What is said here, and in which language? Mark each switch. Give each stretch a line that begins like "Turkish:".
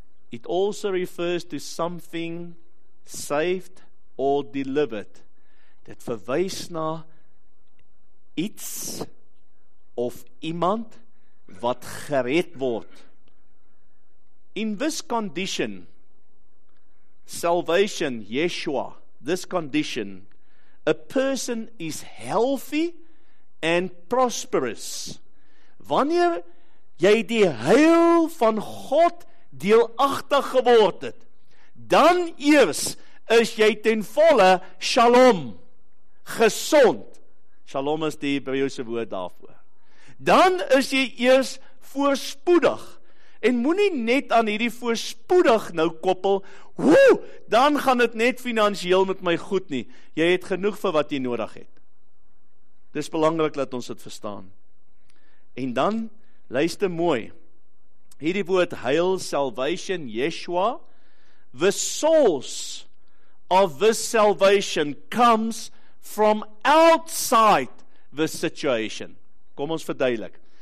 English: It also refers to something saved or delivered.
Afrikaans: Dit verwys na iets of iemand wat gered word.
English: In this condition, salvation, Yeshua, this condition, a person is healthy and prosperous.
Afrikaans: Wanneer jy die heil van God deelagtig geword het, dan eers is jy ten volle shalom, gesond. Shalom is die Hebreëse woord daarvoor. Dan is jy eers voorspoedig. En moenie net aan hierdie voorspoedig nou koppel, woe, dan gaan het net finansieel met my goed nie. Jy het genoeg vir wat jy nodig het. Dis belangrik dat ons het verstaan. En dan, luister mooi, hierdie woord heil, salvation, Yeshua,
English: the source of this salvation comes from outside the situation.
Afrikaans: Kom ons verduidelik.